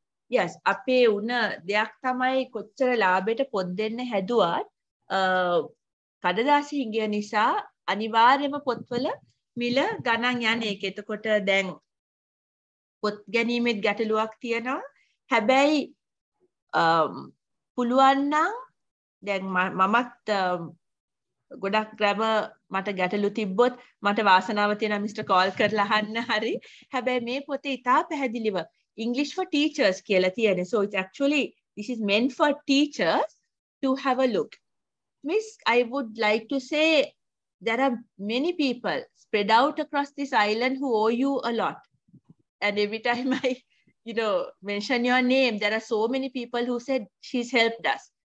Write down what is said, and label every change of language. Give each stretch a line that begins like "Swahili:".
English: Yes.
Sinhala: Ape una deyak tamai kochchara labeta poddenna haduwat kadadasi hingiya nisa aniwaryema potwala mila ganan yana eka etakota den පොත් ගැනීමෙත් ගැටලුවක් තියෙනවා. හැබැයි පුළුවන් නම් දැන් මමත් ගොඩක් ග්‍රැම මට ගැටලු තිබ්බොත් මට වාසනාව තියෙනවා මිස්ටර් කෝල් කරලා අහන්න. හරි. හැබැයි මේ පොතේ ඉතා පැහැදිලිව ඉංග්‍රීෂ් ෆෝ ටීචර්ස් කියලා තියෙනවා.
English: So it's actually, this is meant for teachers to have a look. Miss, I would like to say there are many people spread out across this island who owe you a lot. And every time I, you know, mention your name, there are so many people who said she's helped us.